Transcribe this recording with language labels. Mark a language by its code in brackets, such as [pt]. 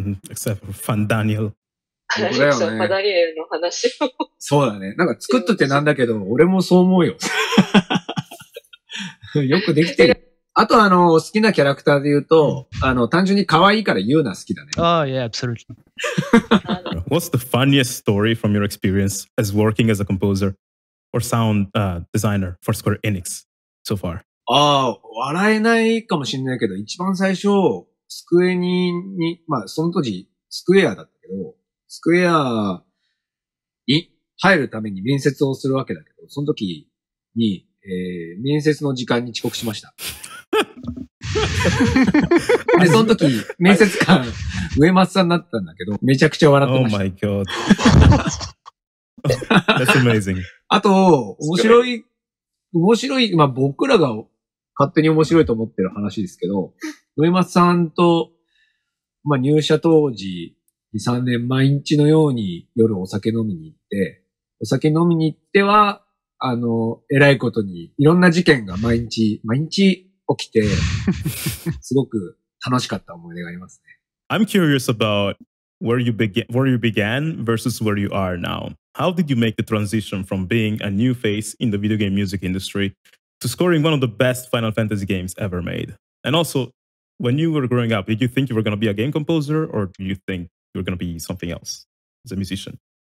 [en] Except for [ja] ファンダニエル。ファンダニエルの話を。そうだね。なんか作っとってなんだけど、俺もそう思うよ。よくできてる。あと好きなキャラクターで言うと、単純に可愛いからユーナ好きだね。 [en] Oh, yeah, absolutely. What's the funniest story from your experience as working as a composer or sound designer for Square Enix so far? [ja] ああ、笑えないかもしれないけど、一番最初、スクエニに、まあ、その当時、スクエアだったけど、スクエアに入るために面接をするわけだけど、その時に、面接の時間に遅刻しました。で、その時、面接官、上松さんになったんだけど、めちゃくちゃ笑ってました。 [en] Oh my god. That's amazing. [ja] あと、面白い、まあ僕らが勝手に面白いと思ってる話ですけど、上松さんと、まあ入社当時、2、3年毎日のように夜お酒飲みに行って、お酒飲みに行っては、偉いことに、いろんな事件が毎日、起きて、すごく楽しかった思い出がありますね。 [en] I'm curious about where you began versus where you are now. How did you make the transition from being a new face in the video game music industry to scoring one of the best Final Fantasy games ever made? And also, when you were growing up, did you think you were going to be a game composer or do you think you were going to be something else as a musician?